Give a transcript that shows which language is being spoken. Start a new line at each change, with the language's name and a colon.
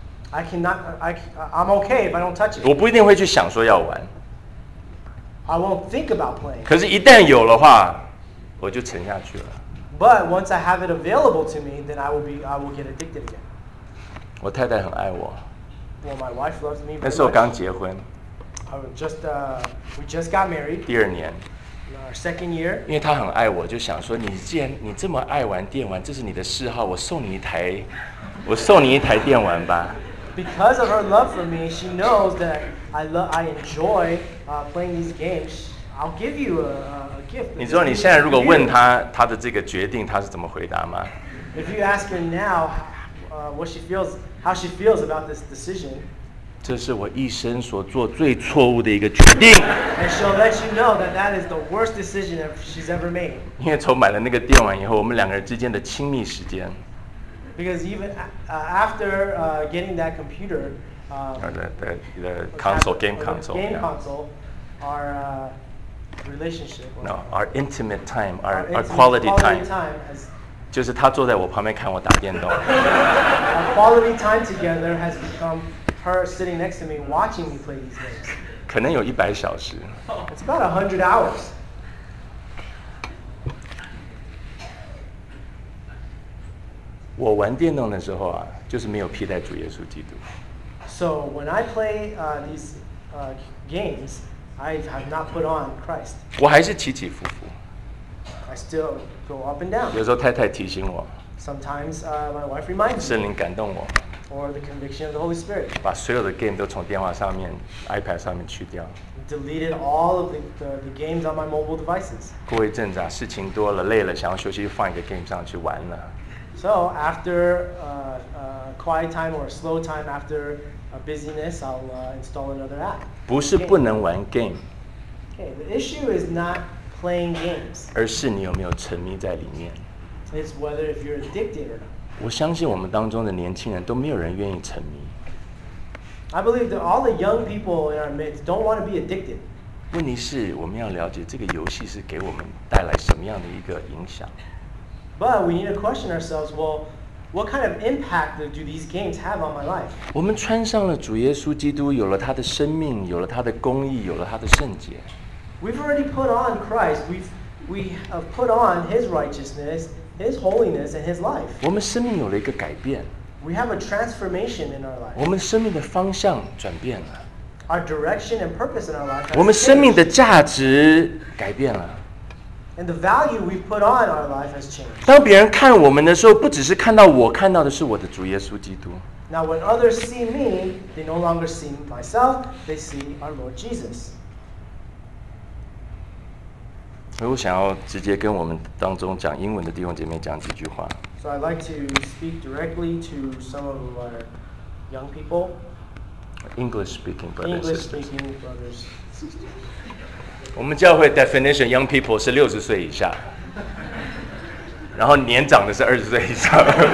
English: I cannot, I'm okay if I don't touch it.
Chinese: 我不一定会去想说要玩。
English: I won't think about playing.
Chinese: 可是一旦有的话，我就沉下去了。
English: But once I have it available to me, then I will get addicted again.
Chinese: 我太太很爱我。
English: Well, my wife loves me.
Chinese: 那时候刚结婚。
English: We just got married.
Chinese: 第二年。
English: Our second year,
Chinese: 因为他很爱我，就想说，你既然你这么爱玩电玩，这是你的嗜好，我送你一台电玩吧。
English: Because of her love for me, she knows that I enjoy playing these games. I'll give you a gift.
Chinese: 你知道你现在如果问他的这个决定，他是怎么回答吗
English: ？If you ask her now, what she feels, how she feels about this decision.
Chinese: 这是我一生所做最错误的一个决定。
English: And she'll let you know that that is the worst decision she's ever made.
Chinese: 因为从买了那个电玩以后，我们两个人之间的亲密时间。
English: Because even after getting that computer, the console game console, game console, our relationship. No, our intimate time, our quality time. Quality time
Chinese: 就是他坐在我旁边看我打电动。
English: Our quality time together has become. Her sitting next to me, watching me play these games.
Chinese: 可能有一百小时。
English: It's about 100 hours.
Chinese: 我玩电动的时候啊，就是没有披戴主耶稣基督。
English: So when I play these games, I have not put on Christ.
Chinese: 我还是起起伏伏。
English: I still go up and down.
Chinese: 有时候太太提醒我。
English: Sometimes my wife reminds me.
Chinese: 圣灵感动我。
English: Or the conviction of the Holy Spirit.
Chinese: 把所有的 game 都从电话上面 iPad 上面去掉。
English: Deleted all of the games on my mobile devices.
Chinese: 过一阵子啊，事情多了，累了，想要休息，就放一个 game 上去玩了。
English: So after quiet time or slow time after a busyness, I'll install another app.
Chinese: 不是不能玩 game.
English: Okay, the issue is not playing games.
Chinese: 而是你有没有沉迷在里面。
English: It's whether if you're addicted or not.
Chinese: 我相信我们当中的年轻人都没有人愿意沉迷。
English: I believe that all the young people in our midst don't want to be addicted.
Chinese: 问题是我们要了解这个游戏是给我们带来什么样的一个影响。
English: But we need to question ourselves, well, what kind of impact do these games have on my life?
Chinese: 我们穿上了主耶稣基督，有了他的生命，有了他的公义，有了他的圣洁。
English: We've already put on Christ. We have put on His righteousness. His holiness and His life.
Chinese: 我们生命有了一个改变。
English: We have a transformation in our life.
Chinese: 我们生命的方向转变了。
English: our direction and purpose in our life has changed.
Chinese: 我们生命的价值改变了。
English: And the value we put on our life has changed.
Chinese: 当别人看我们的时候，不只是看到我，看到的是我的主耶稣基督。
English: Now when others see me, they no longer see myself, they see our Lord Jesus.
Chinese: 所以我想要直接跟我们当中讲英文的弟兄姐妹讲几句话。
English: So I'd like to speak directly to some of our young people. English-speaking brothers and sisters. English-speaking brothers.
Chinese: 我们教会
English: definition young people
Chinese: 是六十岁以下，然后年长的是二十岁以上。